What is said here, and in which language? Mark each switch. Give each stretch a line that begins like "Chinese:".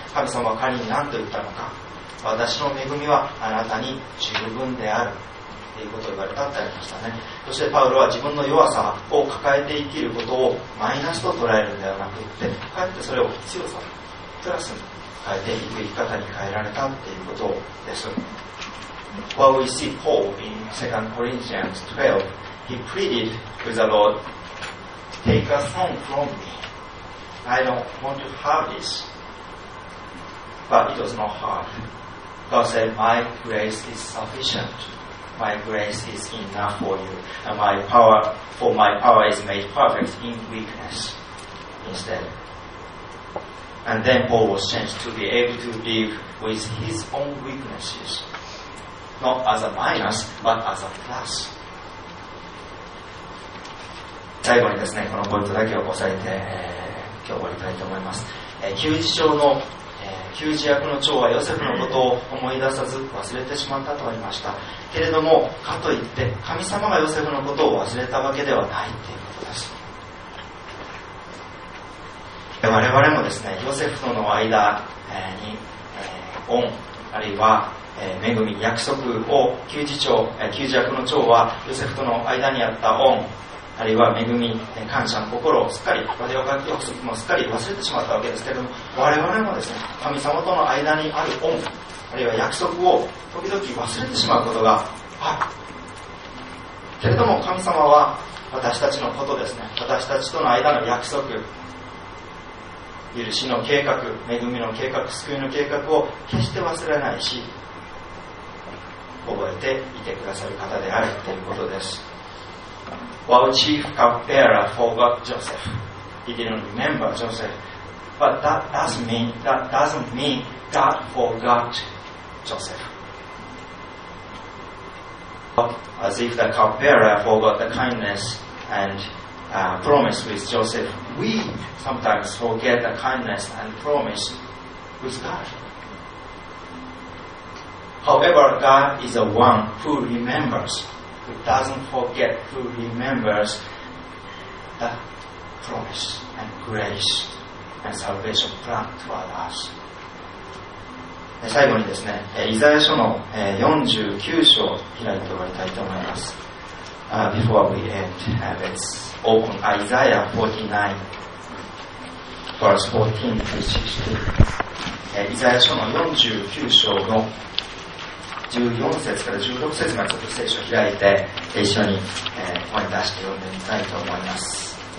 Japanese: 神様は彼に何と言ったのか、私の恵みはあなたに十分であるっていうことを言われたってありましたね。そしてパウロは自分の弱さを抱えて生きることをマイナスと捉えるんではなくって、かえってそれを強さプラスに変えていく生き方に変えられたということです。
English: While we see Paul in 2 Corinthians 12, he pleaded with the Lord, "Take a son from me. I don't want to have this." But it was not hard. God said, "My grace is sufficient. My grace is enough for you, and my power is made perfect in weakness." Instead. And then Paul was changed to be able to live with his own weaknesses, not as a minus, but as a plus.
Japanese: 最後にですね、このポイントだけを押さえて、今日終わりたいと思います。給仕長の、給仕役の長はヨセフのことを思い出さず忘れてしまったと言いました。けれども、かといって神様がヨセフのことを忘れたわけではないっていう。我々もですね、ヨセフとの間に恩あるいは恵み約束を、給仕長、給仕役の長はヨセフとの間にあった恩あるいは恵み感謝の心をすっかり、我々が約束もすっかり忘れてしまったわけですけれども、我々もですね、神様との間にある恩あるいは約束を時々忘れてしまうことがある。けれども神様は私たちのことですね、私たちとの間の約束、許しの計画、恵みの計画、救いの計画を決して忘れないし、覚えていてくださる方であるということです。
English: While chief cupbearer forgot Joseph, he didn't remember Joseph, but that doesn't mean that God forgot Joseph. As if the cupbearer forgot the kindness and promise with Joseph, we sometimes forget the kindness and promise with God. However, God is the one who remembers, who doesn't forget, who remembers the promise and grace and salvation plan toward us.
Japanese: 最後にですね、イザヤ書の49章を開いて終わりたいと思います。
English: Before we end, let's open Isaiah 49, verse 14 to 16.
Japanese: イザヤ書の49章の14節から16節までちょっと聖書を開いて、一緒に思い出して読んでみたいと思います。